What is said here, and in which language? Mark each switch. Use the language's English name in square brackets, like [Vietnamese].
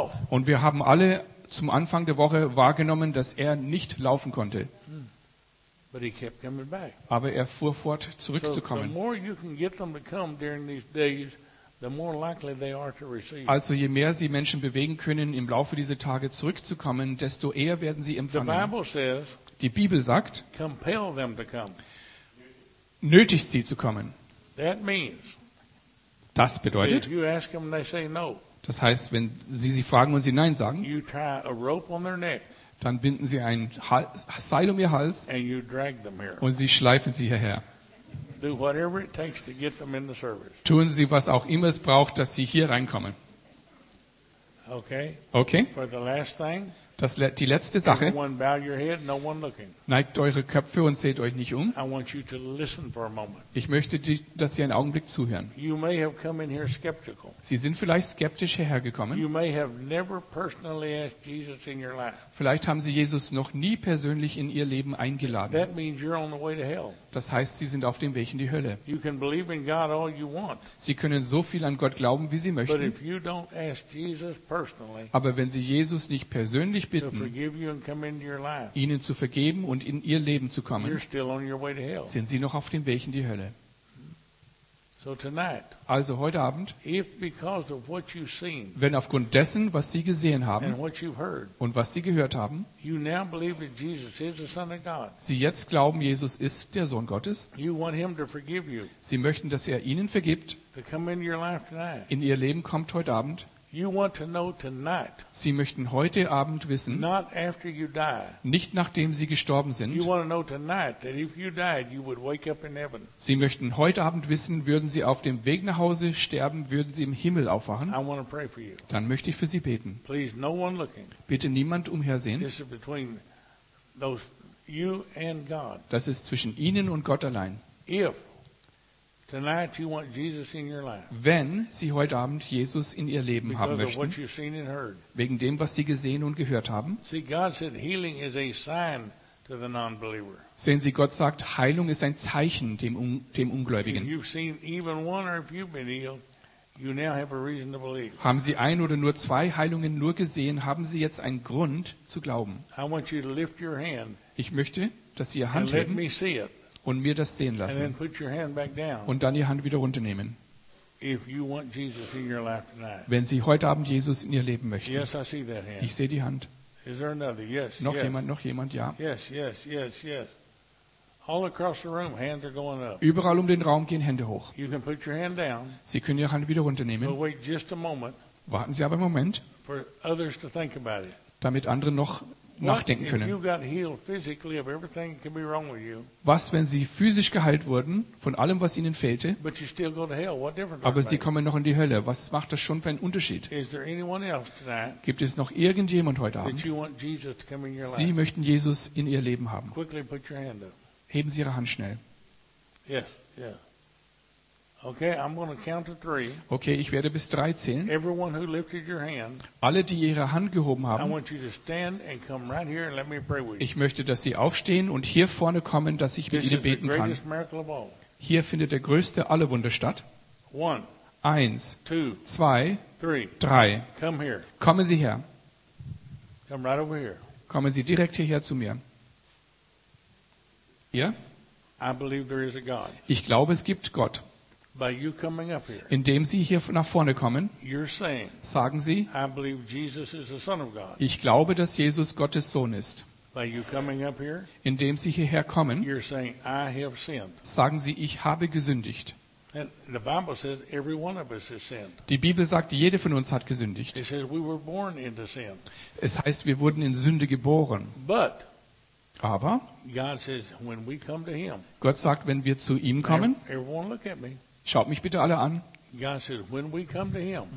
[German] Und wir haben alle zum Anfang der Woche wahrgenommen, dass er nicht laufen konnte. [English] But he kept coming back. [German] Aber er fuhr fort, zurückzukommen. [English] So, the more you can get them to come during these days, the more likely they are to receive. [German] Also je mehr sie Menschen bewegen können, im Laufe dieser Tage zurückzukommen, desto eher werden sie empfangen. [English] The Bible says, [German] die Bibel sagt, [English] compel them to come. [German] Nötigt sie zu kommen. [English] That means, [German] das bedeutet, [English] if you ask them, they say no. [German] Das heißt, wenn sie sie fragen und sie nein sagen, [English] you tie a rope on their neck, [German] dann binden sie ein Seil um ihr Hals [English] and you drag them here. [German] Und sie schleifen sie hierher. [English] Do whatever it takes to get them in the service. [German] Tun Sie, was auch immer es braucht, dass Sie hier reinkommen. [English] Okay. [German] Okay. [English] For the last thing, [German] das, die letzte Sache. [English] Everyone bow your head, no one looking. [German] Neigt eure Köpfe und seht euch nicht um. [English] I want you to listen for a moment. [German] Ich möchte, dass Sie einen Augenblick zuhören. [English] You may have come in here skeptical. [German] Sie sind vielleicht skeptisch hierher gekommen. [English] You may have never personally asked Jesus in your life. [German] Vielleicht haben Sie Jesus noch nie persönlich in Ihr Leben eingeladen. [English] That means you're on the way to hell. [German] Das heißt, Sie sind auf dem Weg in die Hölle. [English] You can believe in God all you want. [German] Sie können so viel an Gott glauben, wie Sie möchten. [English] But if you don't ask Jesus personally, [German] aber wenn Sie Jesus nicht persönlich bitten, [English] to forgive you and come into your life, [German] Ihnen zu vergeben und in Ihr Leben zu kommen, [English] you're still on your way to hell. [German] Sind Sie noch auf dem Weg in die Hölle. [English] So tonight, [German] also heute Abend, [English] if because of what you've seen, [German] wenn aufgrund dessen, was Sie gesehen haben [English] and what you've heard, [German] und was Sie gehört haben, [English] you now believe that Jesus is the Son of God. [German] Sie jetzt glauben, Jesus ist der Sohn Gottes. [English] You want him to forgive you. [German] Sie möchten, dass er Ihnen vergibt. [English] To come into your life tonight. [German] In Ihr Leben kommt heute Abend. [English] You want to know tonight, [German] Sie möchten heute Abend wissen, [English] not after you die, [German] nicht nachdem Sie gestorben sind. [English] You want to know tonight that if you died, you would wake up in heaven. [German] Sie möchten heute Abend wissen, würden Sie auf dem Weg nach Hause sterben, würden Sie im Himmel aufwachen? [English] I want to pray for you. [German] Dann möchte ich für Sie beten. [English] Please, no one looking. [German] Bitte niemand umhersehen. [English] This is between those, you and God. [German] Das ist zwischen Ihnen und Gott allein. [English] If tonight you want Jesus in your life. [German] Wenn Sie heute Abend Jesus in Ihr Leben [English] because [German] haben möchten, [English] of what you've seen and heard. [German] Wegen dem, was Sie gesehen und gehört haben. [English] See, God said healing is a sign to the non-believer. [German] Sehen Sie, Gott sagt, Heilung ist ein Zeichen dem Ungläubigen. [English] If you've seen even one or if you've been healed, You now have a reason to believe. [German] Haben Sie ein oder nur zwei Heilungen nur gesehen, haben Sie jetzt einen Grund zu glauben. [English] I want you to lift your hand. [German] Ich möchte, dass Sie Ihre Hand heben und mir das sehen lassen. [English] And then put your hand back down. [German] Und dann Ihre Hand wieder runternehmen. [English] If you want Jesus in your life tonight. [German] Wenn Sie heute Abend Jesus in Ihr Leben möchten. [English] Yes, I see that hand. [German] Ich sehe die Hand. [English] Is there another? Yes, [German] noch [English] yes. [German] Jemand, noch jemand, ja. [English] Yes, yes, yes, yes. All across the room, hands are going up. [German] Überall um den Raum gehen Hände hoch. [English] You can put your hand down. [German] Sie können Ihre Hand wieder runternehmen. [English] But wait just a moment. [German] Warten Sie aber einen Moment. [English] For others to think about it. [German] Damit andere noch nachdenken können. [English] What if you got healed physically of everything that can be wrong with you? [German] Was, wenn Sie physisch geheilt wurden von allem, was Ihnen fehlte? [English] But you still go to hell. What difference? [German] Aber Sie kommen noch in die Hölle. Was macht das schon für einen Unterschied? [English] Is there anyone else tonight? [German] Gibt es noch irgendjemand heute Abend? [English] That you want Jesus to come in your life? [German] Sie möchten Jesus in Ihr Leben haben. [English] Quickly put your hand up. [German] Heben Sie Ihre Hand schnell. [English] Yes, yeah. Okay, I'm going to count to three. [German] Okay, ich werde bis drei zählen. [English] Everyone who lifted your hand. [German] Alle, die ihre Hand gehoben haben. [English] I want you to stand and come right here and let me pray with you. [German] Ich möchte, dass Sie aufstehen und hier vorne kommen, dass ich mit Ihnen beten kann. [English] This is the greatest miracle of all. [German] Hier findet der größte aller Wunder statt. [English] One. [German] Eins. [English] Two. [German] Zwei. [English] Three. [German] Drei. [English] Come here. [German] Kommen Sie her. [English] Come right over here. [German] Kommen Sie direkt hierher zu mir. Ja? [English] I believe there is a God. [German] Ich glaube, es gibt Gott. [English] By you coming up here, [German] indem Sie hier nach vorne kommen, [English] you're saying, [German] sagen Sie, [English] I believe Jesus is the Son of God. [German] Ich glaube, dass Jesus Gottes Sohn ist. [English] By you coming up here, [German] indem Sie hierher kommen, [English] you're saying, I have sinned. [German] Sagen Sie, ich habe gesündigt. [English] And the Bible says every one of us has sinned. [German] Die Bibel sagt, jede von uns hat gesündigt. [English] It says we were born into sin. [German] Es heißt, wir wurden in Sünde geboren. [English] But [German] aber [English] God says, when we come to him, [German] Gott sagt, wenn wir zu ihm kommen, [English] everyone look at me, [German] schaut mich bitte alle an. [English] God says, when we come to him,